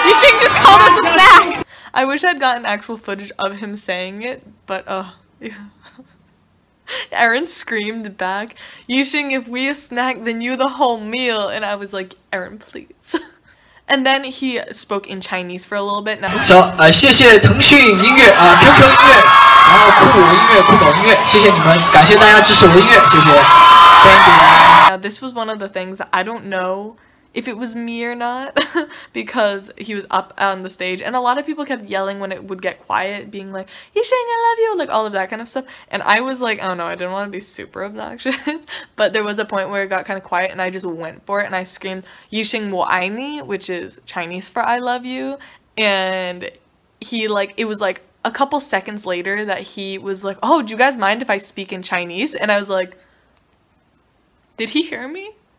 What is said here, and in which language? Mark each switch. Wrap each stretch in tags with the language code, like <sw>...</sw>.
<en>Yuxing just called us a snack! I wish I'd gotten actual footage of him saying it, but Aaron screamed back, Yuxing, if we a snack, then you the whole meal. And I was like, Aaron, please. And then he spoke in Chinese for a little bit.</en> <zh>So, 谢谢腾讯音乐,QQ音乐,然后酷我音乐,酷狗音乐,谢谢你们,感谢大家支持我的音乐,谢谢.</zh> <en>Thank you. Now, this was one of the things that I don't know if it was me or not, because he was up on the stage, and a lot of people kept yelling when it would get quiet, being like, Yuxing, I love you, like all of that kind of stuff, and I was like, oh no, I didn't want to be super obnoxious, but there was a point where it got kind of quiet, and I just went for it, and I screamed, Yuxing</en> <zh>wo ai ni,</zh> <en>which is Chinese for I love you, and he, like, it was like a couple seconds later that he was like, oh, do you guys mind if I speak in Chinese, and I was like, did he hear me?</en>